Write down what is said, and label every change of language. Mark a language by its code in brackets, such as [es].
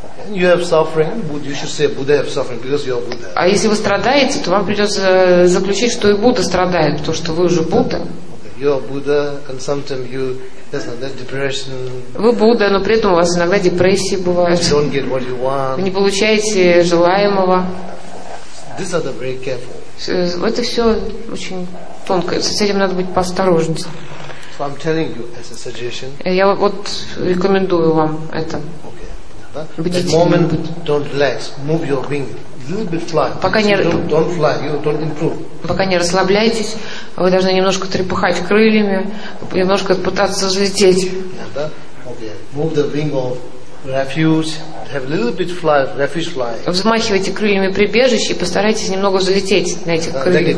[en] You have suffering, you should say Buddha have suffering because you are Buddha. [ru] А если вы страдаете, то вам придется заключить, что и Будда страдает, потому что вы уже Будда. [en] You are Buddha, and sometimes you, that's not that depression. [ru] Вы Будда, но при этом у вас иногда депрессии бывают. [en] You don't get what you want. [ru] Вы не получаете желаемого. [en] These are the very careful. [ru] Это все очень тонко. С этим надо быть поосторожнее. [en] So I'm telling you as a suggestion. [ru] Я вот рекомендую вам это. [en] At the moment, don't relax. Move your wing. A little bit fly. [ru] Пока не [en] don't fly. You don't improve. [ru] Пока не расслабляйтесь, вы должны немножко трепыхать крыльями, немножко пытаться взлететь. [en] Move the wing of refuge. Have a little bit fly. Refuge fly. [ru] Взмахивайте крыльями прибежища и постарайтесь немного взлететь на этих крыльях.